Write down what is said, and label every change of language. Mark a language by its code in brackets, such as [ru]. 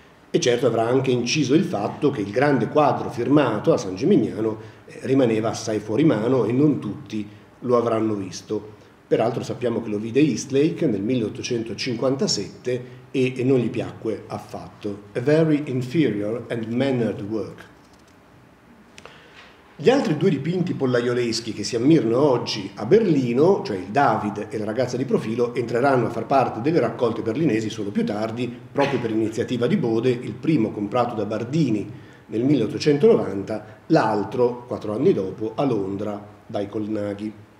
[it] E certo avrà anche inciso il fatto che il grande quadro firmato a San Gimignano rimaneva assai fuori mano e non tutti lo avranno visto. Peraltro sappiamo che lo vide Eastlake nel 1857 e non gli piacque affatto. [en] A very inferior and mannered work. [it] Gli altri due dipinti pollaioleschi che si ammirano oggi a Berlino, cioè il David e la ragazza di profilo, entreranno a far parte delle raccolte berlinesi solo più tardi, proprio per iniziativa di Bode, il primo comprato da Bardini nel 1890, l'altro, 4 anni dopo, a Londra, dai Colnaghi.